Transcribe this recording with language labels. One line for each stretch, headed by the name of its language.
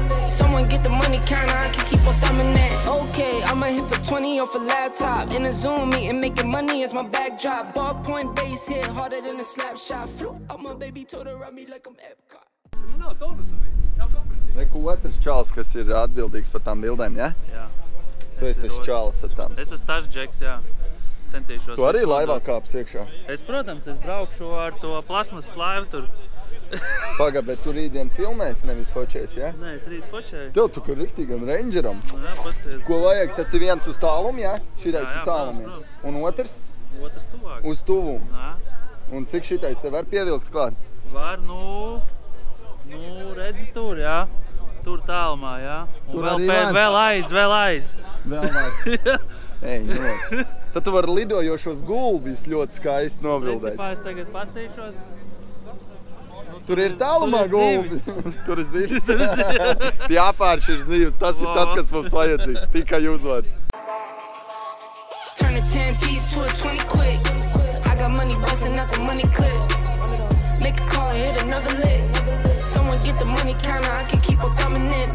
English: Someone get the money counter, I can keep on thumbing that. Okay, I'ma hit for 20 off a laptop. In a Zoom meeting, making money is my backdrop. Ballpoint base hit harder than a slap shot. Flew up my baby, told her around me like I'm Epcot.
Latvian: Nav autobusu, nav otrs čāls, kas ir atbildīgs par tām bildēm, ja? Jā. Tu esi tas čāls ar tām. Es esmu tas džeks, jā. Centīšos. Tu arī laivā kāps iekšā? Es, protams, es braukšu ar to plasmasas laivu tur. Paga, bet tu rītdien filmēs, nevis fočēs, ja? Nē, es rīt fočēju. Tev tu kur riktīgam rangeram. Jā, pasties. Ko vajag, tas ir viens uz tālumu, ja? Šitais uz tālumiem. Un otrs? Otrs tuvāk. Uz tuvumu. Jā. Un cik šitais te var pievilkt klāt? Var, nu... Nu, redzi tur, jā. Tur tālumā, jā. Un tur vēl, pēc, vēl aiz, vēl aiz. Vēl aiz. Ej, nost. Tad tu var lidojošos gulbis ļoti skaisti nobildēt. Principā es tagad pastīšos. Tur ir tālumā gulbi. Tur ir zivis. Tur ir zivis. Jāpārši ir zivis. Tas ir tas, kas mums vajadzīgs. Tikai uzvārds.
English: Turn a 10 piece to a 20 quick. I got money bustin' out the money clip. Make a call and hit another lick. Get the money counter, I can keep on coming in.